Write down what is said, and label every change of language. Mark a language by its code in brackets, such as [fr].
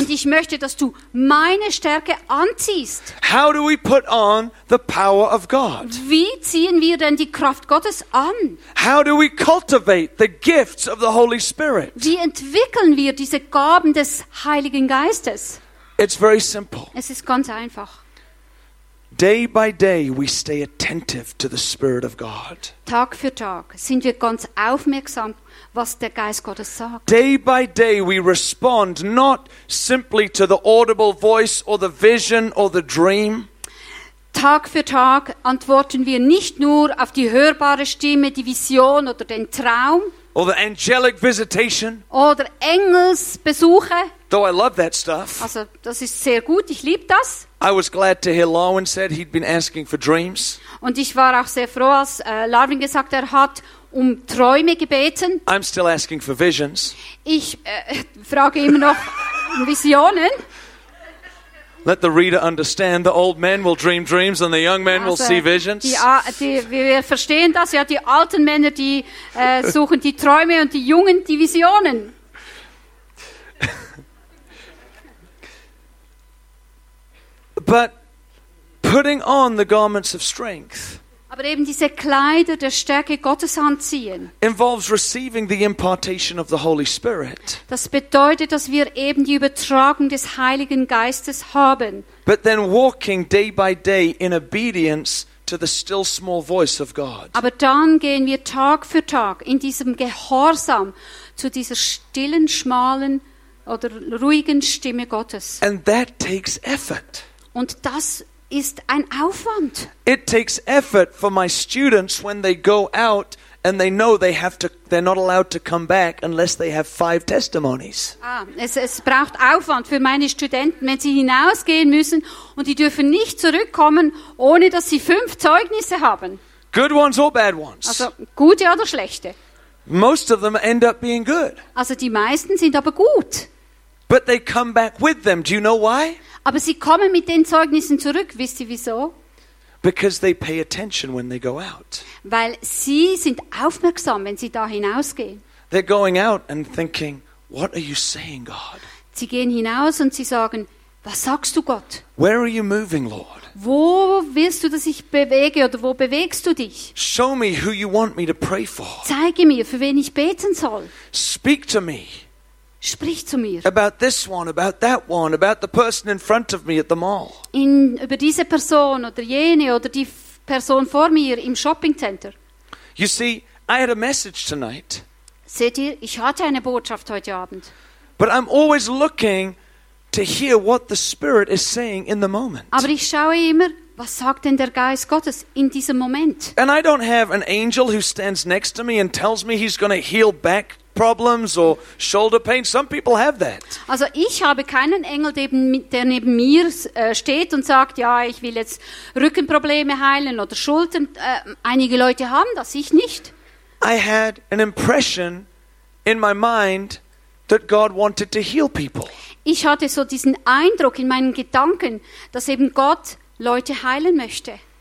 [de] Und ich möchte, dass du meine Stärke anziehst. [en] How do we put on the power of God? [de] Wie ziehen wir denn die Kraft Gottes an? [en] How do we cultivate the gifts of the Holy Spirit? [de] Wie entwickeln wir diese Gaben des Heiligen Geistes? [en] It's very simple. [de] Es ist ganz einfach. [en] Day by day we stay attentive to the Spirit of God. [de] Tag für Tag sind wir ganz aufmerksam, was der Geist Gottes sagt. [en] Day by day we respond not simply to the audible voice or the vision or the dream. [de] Tag für Tag antworten wir nicht nur auf die hörbare Stimme, die Vision oder den Traum. [en] Or the angelic visitation. [de] Oder Engelsbesuche. [en] Though I love that stuff. [de] Also, das ist sehr gut, ich liebe das. [en] I was glad to hear Lawin said he'd been asking for dreams. [de] Und ich war auch sehr froh, als Lawin gesagt hat, er hat um Träume gebeten. [en] I'm still asking for visions. [de] Ich frage immer noch Visionen. [en] Let the reader understand, the old men will dream dreams and the young men will see visions. [de] Wir verstehen das, ja, die alten Männer, die suchen die Träume und die Jungen die Visionen. [en] But putting on the garments of strength. [de] Aber eben diese Kleider der Stärke Gottes anziehen. [en] Involves receiving the impartation of the Holy Spirit. [de] Das bedeutet, dass wir eben die Übertragung des Heiligen Geistes haben. [en] But then walking day by day in obedience to the still small voice of God. [de] Aber dann gehen wir Tag für Tag in diesem Gehorsam zu dieser stillen, schmalen oder ruhigen Stimme Gottes. [en] And that takes effort. [de] Und das ist ein Aufwand. [en] It takes effort for my students when they go out and they know they have to, they're not allowed to come back unless they have 5 testimonies. [de] Es braucht Aufwand für meine Studenten, wenn sie hinausgehen müssen und die dürfen nicht zurückkommen, ohne dass sie 5 Zeugnisse haben. [en] Good ones or bad ones. [de] Also gute oder schlechte. [en] Most of them end up being good. [de] Also die meisten sind aber gut. [en] But they come back with them. Do you know why? [de] Aber sie kommen mit den Zeugnissen zurück. Wisst ihr wieso? [en] Because they pay attention when they go out. [de] Weil sie sind aufmerksam, wenn sie da hinausgehen. [en] They're going out and thinking, what are you saying, God? [de] Sie gehen hinaus und sie sagen, was sagst du, Gott? [en] Where are you moving, Lord? [de] Wo willst du, dass ich bewege oder wo bewegst du dich? [en] Show me who you want me to pray for. [de] Zeige mir, für wen ich beten soll. [en] Speak to me. [de] Sprich zu mir. [en] About this one, about that one, about the person in front of me at the mall. [de] Über diese Person oder jene oder die Person vor mir im Shopping Center. [en] You see, I had a message tonight. [de] Seht ihr, ich hatte eine Botschaft heute Abend. [en] But I'm always looking to hear what the Spirit is saying in the moment. [de] Aber ich schaue immer, was sagt denn der Geist Gottes in diesem Moment? [en] And I don't have an angel who stands next to me and tells me he's going to heal back problems or shoulder pain. Some people have that. [de] Also ich habe keinen Engel, der neben mir steht und sagt, ja, ich will jetzt Rückenprobleme heilen oder Schultern. Einige Leute haben das, ich nicht. [en] I had an impression in my mind that God wanted to heal people. [de] Ich hatte so diesen Eindruck in meinen Gedanken, dass eben Gott Leute heilen möchte.